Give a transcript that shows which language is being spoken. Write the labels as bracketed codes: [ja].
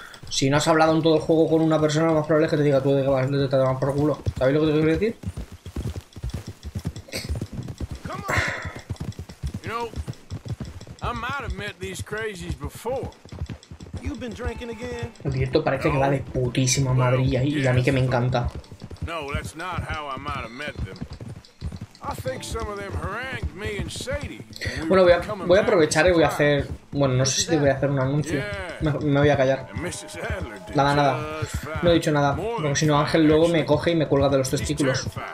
[es] Si no has hablado en todo el juego con una persona, más probable es que te diga, tú de que vas, no te tomas por culo. ¿Sabéis lo que te quiero decir? [en] You know, I might have met these crazies before. You've been drinking again? [es] El directo parece que va de putísima madre y a mí que me encanta. [en] No, that's not how I might have met them. I think some of them harangued me and Sadie. [es] Bueno, voy a aprovechar y voy a hacer. Bueno, no sé si voy a hacer un anuncio. Me voy a callar. Nada, nada. No he dicho nada. Porque si no, Ángel luego me coge y me cuelga de los testículos.